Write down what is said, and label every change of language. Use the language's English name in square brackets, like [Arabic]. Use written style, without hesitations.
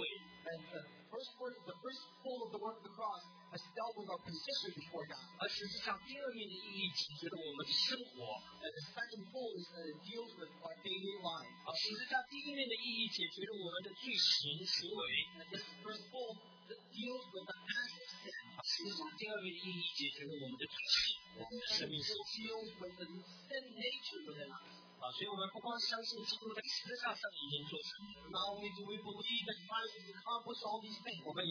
[English] and the first goal of the work of the cross has dealt with our position before God. [Chinese] 而实际上第二面的意义解决了我们的生活, [English] and the second goal is that it deals with our daily life. [Chinese] 而实际上第一面的意义解决了我们的罪行行为, [English] and this first goal deals with the past of sin. [Chinese] 实际上第二面的意义解决了我们的罪行我们的生命生活, [English] deals with the sin nature within us. [Chinese] 所以我们不光相信基督在十字架上已经做成了。 [English] Not only do we believe that Christ has accomplished all these things,